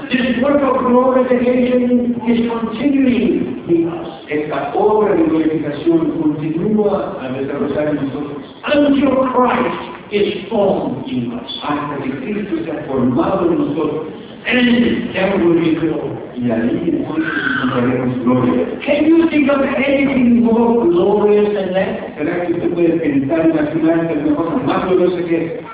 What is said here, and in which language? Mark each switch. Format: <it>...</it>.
<en>This work of glorification is continuing in us.</en> <es>Esta obra de glorificación continúa a desarrollar en nosotros.</es> <en>Until Christ is formed in us.</en> <es>Hasta que Cristo sea formado en nosotros.</es> <en>And then we will be glorified. Can you think of anything more glorious than that?</en> <es>¿Será que usted puede pensar en alguna de las cosas más gloriosas que es?</es>